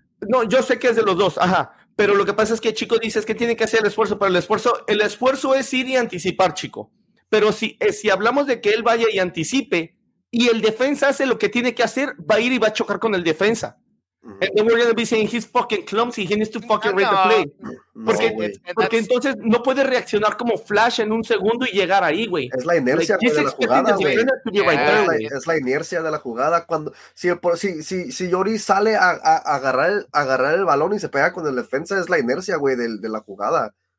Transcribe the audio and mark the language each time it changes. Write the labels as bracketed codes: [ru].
[es] No, yo sé que es de los dos, ajá. Pero lo que pasa es que, chico, dices que tiene que hacer el esfuerzo. Pero el esfuerzo es ir y anticipar, chico. Pero si hablamos de que él vaya y anticipe y el defensa hace lo que tiene que hacer, va a ir y va a chocar con el defensa. [en] And we're going to be saying he's fucking clumsy, he needs to fucking read the play. [es] Porque entonces no puede reaccionar como Flash en un segundo y llegar ahí, güey. Es la inercia de la jugada. Cuando si Lloris sale a agarrar el balón y se pega con el defensa, es la inercia, güey, de la jugada.